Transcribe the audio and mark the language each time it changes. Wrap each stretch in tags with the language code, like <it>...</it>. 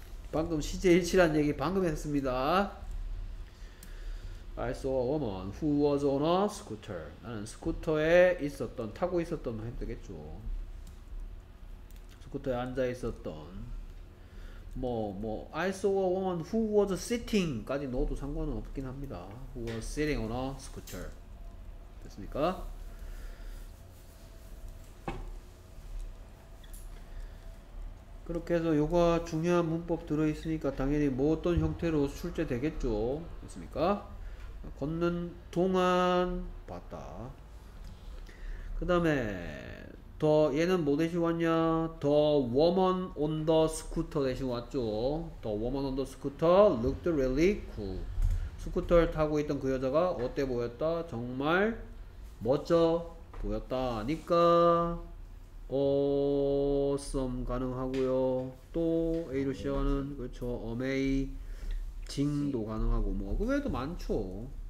<ko>방금 시제 일치란 얘기 방금 했습니다.</ko> <en>I saw a woman who was on a scooter.</en> <ko>나는 스쿠터에 있었던, 타고 있었던 해도 되겠죠. 스쿠터에 앉아 있었던. 뭐</ko> <en>I saw a woman who was sitting</en> <ko>까지 넣어도 상관은 없긴 합니다.</ko> <en>Who was sitting on a scooter?</en> <ko>됐습니까? 그렇게 해서 요거 중요한 문법 들어있으니까 당연히 뭐 어떤 형태로 출제되겠죠. 됐습니까? 걷는 동안 봤다. 그 다음에 더 얘는 뭐 대신 왔냐?</ko> <en>The woman on the scooter</en> <ko>대신 왔죠.</ko> <en>The woman on the scooter looked really cool.</en> <ko>스쿠터를 타고 있던 그 여자가 어때 보였다? 정말 멋져 보였다니까 awesome 가능하고요. 또 A로 시작하는 그렇죠. amazing도 가능하고 뭐 그 외에도 많죠.</ko>